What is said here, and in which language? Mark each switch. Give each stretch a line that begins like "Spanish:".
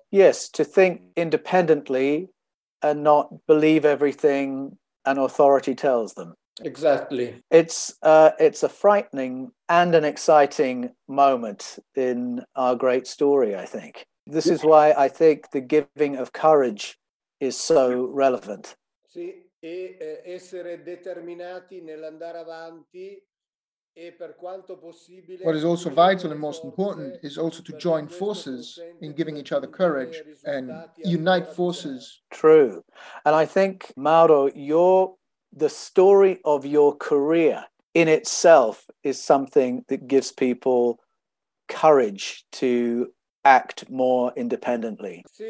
English: Yes, to think independently and not believe everything an authority tells them. Exactly. It's a frightening and an exciting moment in our great story, I think. This is why I think the giving of courage is so relevant.
Italian: Sì, e essere determinati nell'andare avanti e per quanto possibile.
English: What is also vital and most important is also to join forces in giving each other courage and unite forces. True. And I think, Mauro, the story of your career in itself is something that gives people courage to act more independently.